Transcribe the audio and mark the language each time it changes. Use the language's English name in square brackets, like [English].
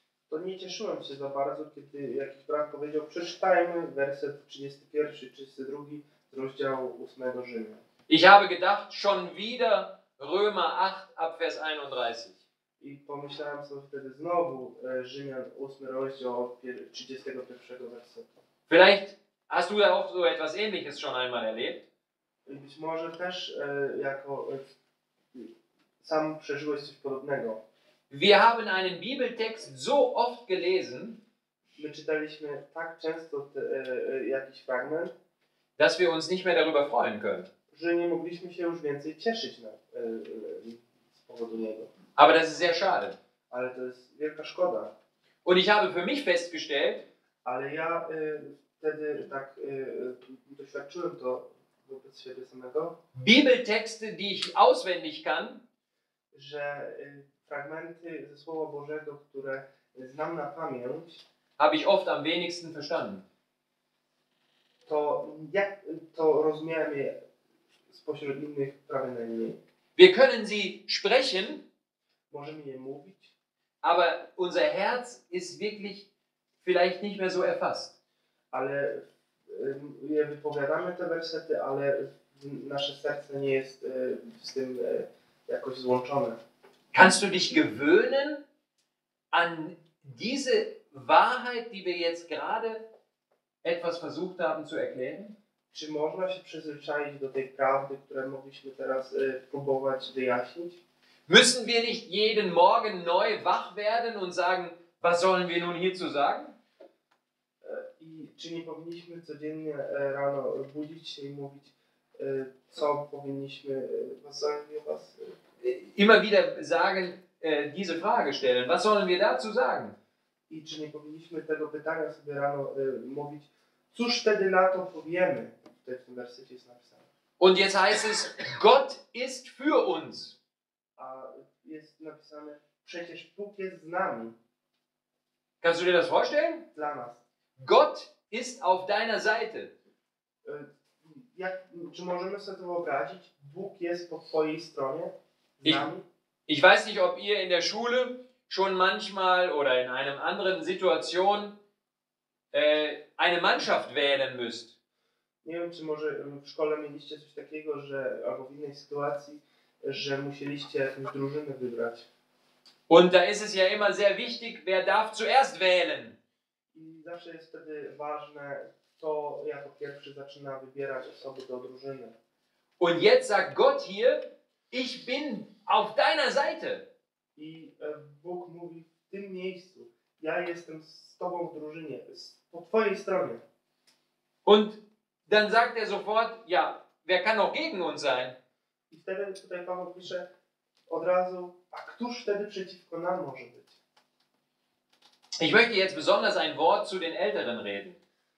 [Polish] To nie cieszyłem się za bardzo, kiedy jakiś brat powiedział, przeczytajmy werset 31, 32 z rozdziału 8 Rzymu. [German] Ich habe gedacht, schon wieder Römer 8 ab Vers 31. [Polish] I pomyślałem sobie wtedy znowu Rzymian 8 rozdział 31 wersetu. [German] Vielleicht hast du ja auch so etwas Ähnliches schon einmal erlebt? [Polish] Być może też jako sam przeżyłeś coś podobnego. [German] Wir haben einen Bibeltext so oft gelesen, [Polish] my czytaliśmy tak często jakiś fragment, [German] dass wir uns nicht mehr darüber freuen können. [Polish] Że nie mogliśmy się już więcej cieszyć na, z powodu niego. [German] Aber das ist sehr schade. [Polish] Ale to jest wielka szkoda. [German] Und ich habe für mich festgestellt, [Polish] ale ja wtedy tak doświadczyłem to wobec siebie samego. [German] Bibeltexte, die ich auswendig kann, [Polish] że fragmenty ze Słowa Bożego, które znam na pamięć, [German] habe ich oft am wenigsten verstanden. [Polish] To jak to rozumiem je spośród innych prawie najmniej. [German] Wir können sie sprechen, [Polish] możemy je mówić, [German] aber unser Herz ist wirklich vielleicht nicht mehr so erfasst. [Polish] Ale je wypowiadamy te wersety, ale nasze serce nie jest z tym jakoś złączone. [German] Kannst du dich gewöhnen an diese Wahrheit, die wir jetzt gerade etwas versucht haben zu erklären? [Polish] Czy można się przyzwyczaić do tej prawdy, którą mogliśmy teraz próbować wyjaśnić? [German] Müssen wir nicht jeden Morgen neu wach werden und sagen, was sollen wir nun hierzu sagen? [Polish] I czy nie powinniśmy codziennie rano budzić się i mówić, co powinniśmy, [German] was sollen wir was? Immer wieder sagen, diese Frage stellen, was sollen wir dazu sagen? [Polish] I czy nie powinniśmy tego pytania sobie rano mówić, cóż wtedy na to powiemy? Tutaj w tym wersecie jest napisane. [German] Und jetzt heißt es, Gott ist für uns. [Polish] A jest napisane, przecież Bóg jest z nami. [German] Kannst du dir das vorstellen? [Polish] Dla nas. [German] Gott ist auf deiner Seite. [Polish] Jak, czy możemy sobie to wyobrazić? Bóg jest po twojej stronie, z nami. [German] Ich weiß nicht, ob ihr in der Schule schon manchmal oder in einer anderen Situation eine Mannschaft wählen müsst. [Polish] Nie wiem, czy może w szkole mieliście coś takiego, że albo w innej sytuacji, że musieliście jakąś drużynę wybrać. [German] Und da ist es ja immer sehr wichtig, wer darf zuerst wählen. [Polish] I zawsze jest wtedy ważne, kto jako pierwszy zaczyna wybierać osoby do drużyny. [German] Und jetzt sagt Gott hier, ich bin auf deiner Seite. [Polish] I Bóg mówi w tym miejscu, ja jestem z tobą w drużynie, po twojej stronie. [German] Und dann sagt er sofort, ja, wer kann auch gegen uns sein? [Polish] I wtedy tutaj Paweł pisze od razu, a któż wtedy przeciwko nam może być? [German] Ich möchte jetzt besonders ein Wort zu den Älteren reden.